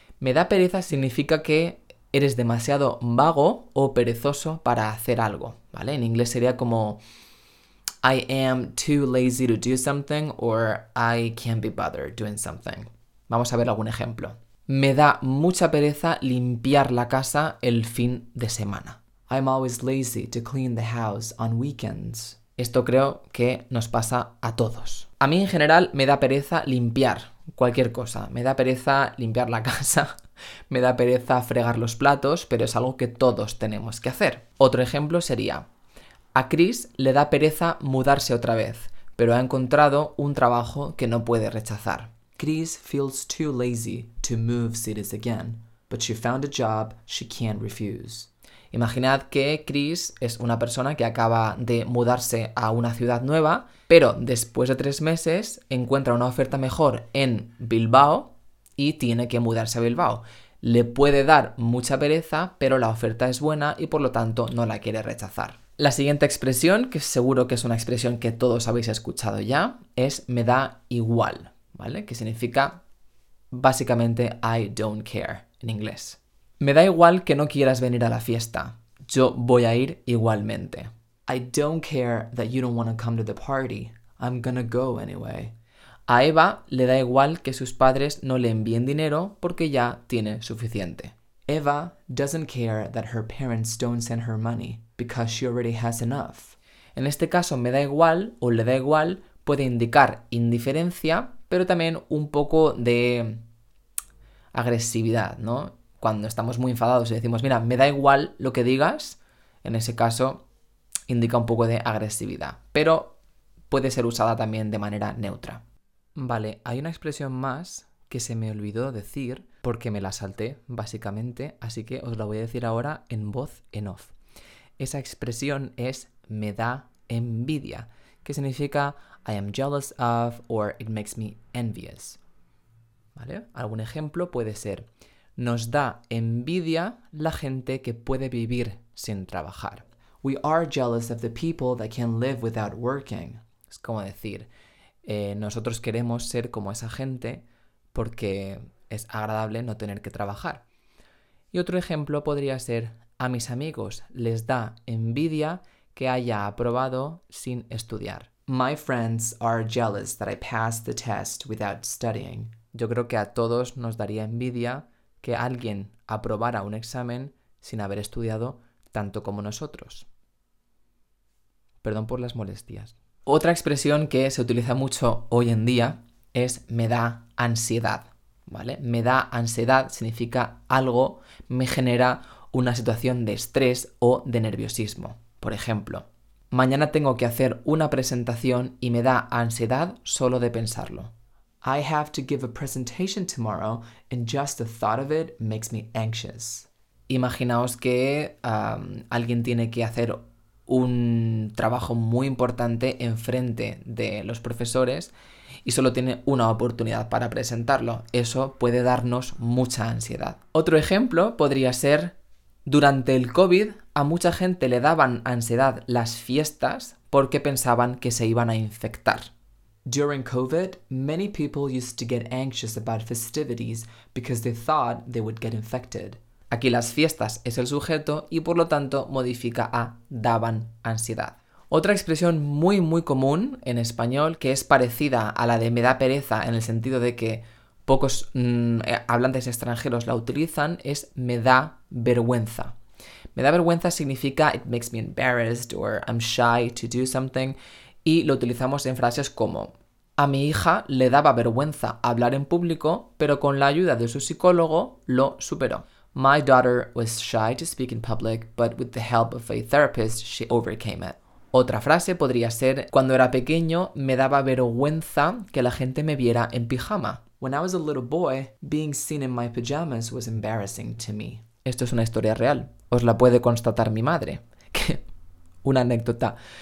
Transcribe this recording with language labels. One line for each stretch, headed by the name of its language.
Spanish: Me da pereza significa que eres demasiado vago o perezoso para hacer algo, ¿vale? En inglés sería como
English: I am too lazy to do something or I can't be bothered doing something.
Spanish: Vamos a ver algún ejemplo. Me da mucha pereza limpiar la casa el fin de semana.
English: I'm always lazy to clean the house on weekends.
Spanish: Esto creo que nos pasa a todos. A mí en general me da pereza limpiar. cualquier cosa. Me da pereza limpiar la casa, me da pereza fregar los platos, pero es algo que todos tenemos que hacer. Otro ejemplo sería, a Chris le da pereza mudarse otra vez, pero ha encontrado un trabajo que no puede rechazar.
English: Chris feels too lazy to move cities again, but she found a job she can't refuse.
Spanish: Imaginad que Chris es una persona que acaba de mudarse a una ciudad nueva, pero después de 3 meses encuentra una oferta mejor en Bilbao y tiene que mudarse a Bilbao. Le puede dar mucha pereza, pero la oferta es buena y por lo tanto no la quiere rechazar. La siguiente expresión, que seguro que es una expresión que todos habéis escuchado ya, es me da igual, ¿vale? Que significa básicamente
English: I don't care
Spanish: en inglés. Me da igual que no quieras venir a la fiesta. Yo voy a ir igualmente.
English: I don't care that you don't want to come to the party. I'm gonna go anyway.
Spanish: A Eva le da igual que sus padres no le envíen dinero porque ya tiene suficiente.
English: Eva doesn't care that her parents don't send her money because she already has enough.
Spanish: En este caso, me da igual o le da igual puede indicar indiferencia, pero también un poco de agresividad, ¿no? Cuando estamos muy enfadados y decimos, mira, me da igual lo que digas, en ese caso indica un poco de agresividad, pero puede ser usada también de manera neutra. Vale, hay una expresión más que se me olvidó decir porque me la salté, básicamente, así que os la voy a decir ahora en voz en off. Esa expresión es me da envidia, que significa
English: I am jealous of or it makes me envious.
Spanish: ¿Vale? Algún ejemplo puede ser nos da envidia la gente que puede vivir sin trabajar.
English: We are jealous of the people that can live without working.
Spanish: Es como decir, nosotros queremos ser como esa gente porque es agradable no tener que trabajar. Y otro ejemplo podría ser, a mis amigos les da envidia que haya aprobado sin estudiar.
English: My friends are jealous that I passed the test without studying.
Spanish: Yo creo que a todos nos daría envidia que alguien aprobara un examen sin haber estudiado tanto como nosotros. Perdón por las molestias. Otra expresión que se utiliza mucho hoy en día es me da ansiedad, ¿vale? Me da ansiedad significa algo me genera una situación de estrés o de nerviosismo. Por ejemplo, mañana tengo que hacer una presentación y me da ansiedad solo de pensarlo.
English: I have to give a presentation tomorrow and just the thought of it makes me anxious.
Spanish: Imaginaos que alguien tiene que hacer un trabajo muy importante enfrente de los profesores y solo tiene una oportunidad para presentarlo. Eso puede darnos mucha ansiedad. Otro ejemplo podría ser, durante el COVID, a mucha gente le daban ansiedad las fiestas porque pensaban que se iban a infectar.
English: During COVID, many people used to get anxious about festivities because they thought they would get infected.
Spanish: Aquí las fiestas es el sujeto y por lo tanto modifica a daban ansiedad. Otra expresión muy muy común en español que es parecida a la de me da pereza en el sentido de que pocos hablantes extranjeros la utilizan es me da vergüenza. Me da vergüenza significa
English: it makes me embarrassed or I'm shy to do something
Spanish: y lo utilizamos en frases como a mi hija le daba vergüenza hablar en público pero con la ayuda de su psicólogo lo superó.
English: My daughter was shy to speak in public, but with the help of a therapist, she overcame it.
Spanish: Otra frase podría ser, cuando era pequeño, me daba vergüenza que la gente me viera en pijama.
English: When I was a little boy, being seen in my pajamas was embarrassing to me.
Spanish: Esto es una historia real. Os la puede constatar mi madre. Una anécdota.